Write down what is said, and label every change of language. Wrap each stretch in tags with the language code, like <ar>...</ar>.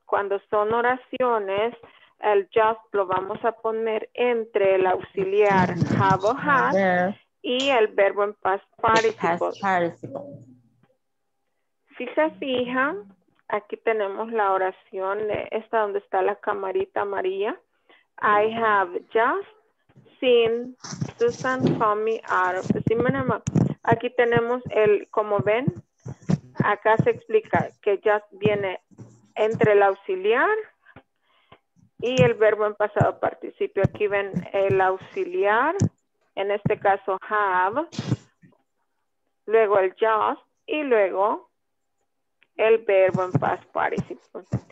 <es>Cuando son oraciones, el just lo vamos a poner entre el auxiliar have o has y el verbo en past participle. Si se fijan, aquí tenemos la oración, esta donde está la camarita amarilla.</es> <en>I have just seen Susan coming out of the cinema.</en> <es>Aquí tenemos el, como ven, acá se explica que just viene entre el auxiliar y el verbo en pasado participio. Aquí ven el auxiliar, en este caso have, luego el just y luego el verbo en past participle.</es>